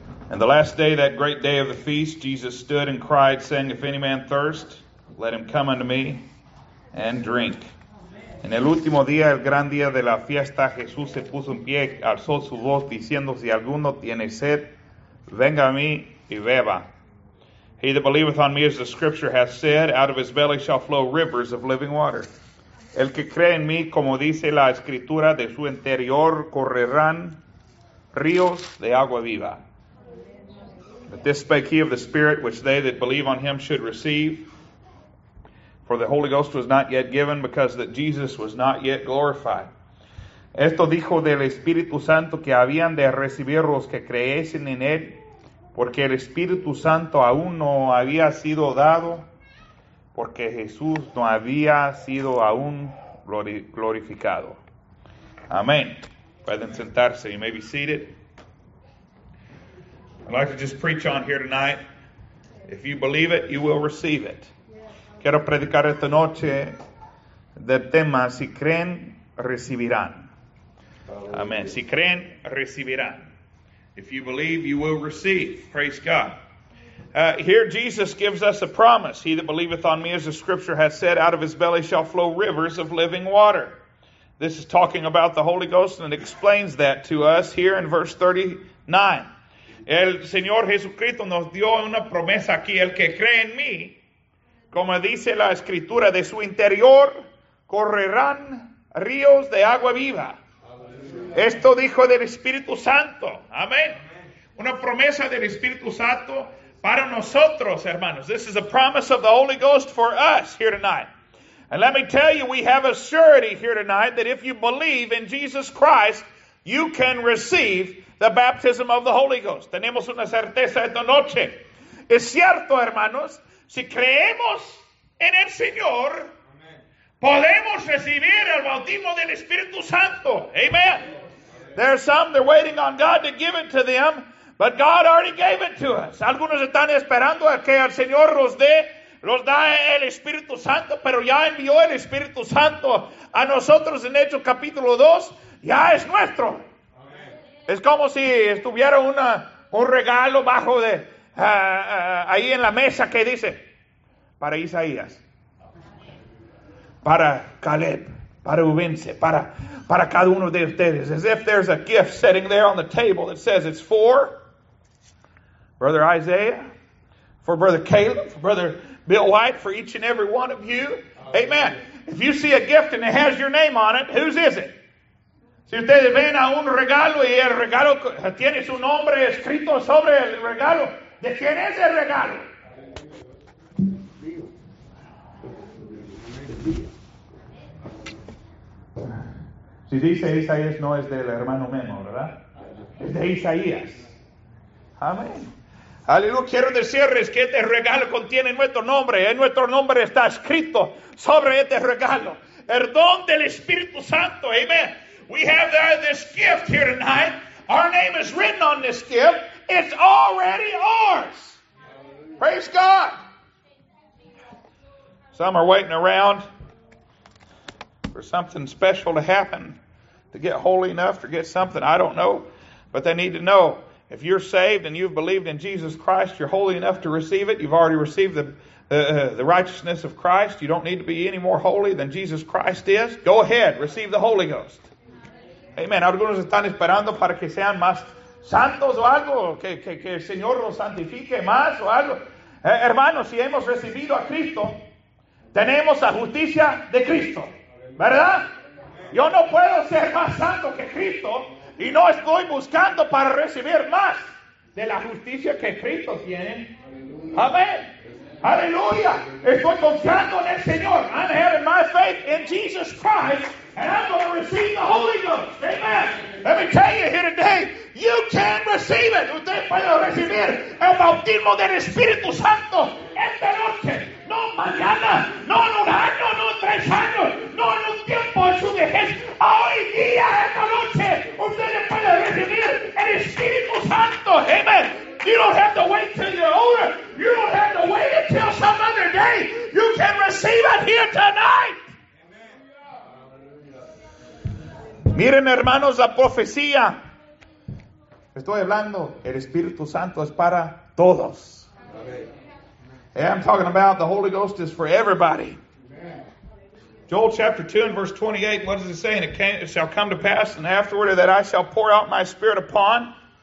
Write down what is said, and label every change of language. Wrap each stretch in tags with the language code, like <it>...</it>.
<en>And the last day, that great day of the feast, Jesus stood and cried, saying, If any man thirst, let him come unto me and drink.</en> <es>En el último día, el gran día de la fiesta, Jesús se puso en pie, alzó su voz, diciendo, Si alguno tiene sed, venga a mí y beba.</es> <en>He that believeth on me, as the scripture hath said, out of his belly shall flow rivers of living water.</en> <es>El que cree en mí, como dice la escritura, de su interior correrán ríos de agua viva.</es> <en>But this spake he of the Spirit, which they that believe on him should receive. For the Holy Ghost was not yet given, because that Jesus was not yet glorified.</en> <es>Esto dijo del Espíritu Santo que habían de recibir los que creyesen en él, porque el Espíritu Santo aún no había sido dado, porque Jesús no había sido aún glorificado. Amén. Pueden sentarse.</es> <en>You may be seated. I'd like to just preach on here tonight. If you believe it, you will receive it.</en> <es>Quiero predicar esta noche del tema, si creen, recibirán. Amén. Si creen, recibirán.</es> <en>If you believe, you will receive. Praise God. Here Jesus gives us a promise. He that believeth on me, as the scripture has said, out of his belly shall flow rivers of living water. This is talking about the Holy Ghost, and it explains that to us here in verse 39.</en> <es>El Señor Jesucristo nos dio una promesa aquí. El que cree en mí, como dice la escritura, de su interior correrán ríos de agua viva. Esto dijo del Espíritu Santo. Amén. Una promesa del Espíritu Santo para nosotros, hermanos.</es> <en>This is a promise of the Holy Ghost for us here tonight. And let me tell you, we have a surety here tonight that if you believe in Jesus Christ, you can receive the baptism of the Holy Ghost.</en> <es>Tenemos una certeza esta noche. Es cierto, hermanos, si creemos en el Señor, podemos recibir el bautismo del Espíritu Santo.</es> <en>Amen. There are some, they're waiting on God to give it to them, but God already gave it to us.</en> <es>Algunos están esperando a que el Señor los da el Espíritu Santo, pero ya envió el Espíritu Santo a nosotros en Hechos capítulo 2. Ya es nuestro. Es como si estuviera un regalo bajo de ahí en la mesa que dice para Isaías, para Caleb, para Ubense, para cada uno de ustedes.</es> <en>As if there's a gift sitting there on the table that says it's for Brother Isaiah, for Brother Caleb, for Brother Bill White, for each and every one of you. Amen. If you see a gift and it has your name on it, whose is it?</en> <es>Si ustedes ven a un regalo y el regalo tiene su nombre escrito sobre el regalo, ¿de quién es el regalo? Si dice Isaías, no es del hermano Memo, ¿verdad? Es de Isaías. Amén. Aleluya. Quiero decirles que este regalo contiene nuestro nombre. En nuestro nombre está escrito sobre este regalo. El don del Espíritu Santo. Amén.</es> <en>We have this gift here tonight. Our name is written on this gift. It's already ours. Praise God. Some are waiting around for something special to happen, to get holy enough, to get something. I don't know. But they need to know. If you're saved and you've believed in Jesus Christ, you're holy enough to receive it. You've already received the righteousness of Christ. You don't need to be any more holy than Jesus Christ is. Go ahead. Receive the Holy Ghost. Amen.</en> <es>Algunos están esperando para que sean más santos o algo, que el Señor los santifique más o algo. Hermanos, si hemos recibido a Cristo, tenemos la justicia de Cristo, ¿verdad? Yo no puedo ser más santo que Cristo y no estoy buscando para recibir más de la justicia que Cristo tiene. Amén. Aleluya. Estoy confiando en el Señor.</es> <en>I'm having my faith in Jesus Christ. And I'm going to receive the Holy Ghost. Amen. Let me tell you here today, you can receive it.</en> <es>Usted puede recibir el bautismo del Espíritu Santo esta noche. No mañana, no en un año, no en tres años, no en un tiempo en su vejez. Hoy día, esta noche, usted puede recibir el Espíritu Santo.</es> <en>Amen. You don't have to wait till you're older. You don't have to wait until some other day. You can receive it here tonight. Amen.</en> <es>Miren, hermanos, la profecía. Estoy hablando, el Espíritu Santo es para todos.</es> <en>Amen. I'm talking about the Holy Ghost is for everybody. Amen. Joel chapter 2 and verse 28, what does it say? And it shall come to pass, and afterward that I shall pour out my Spirit upon</en>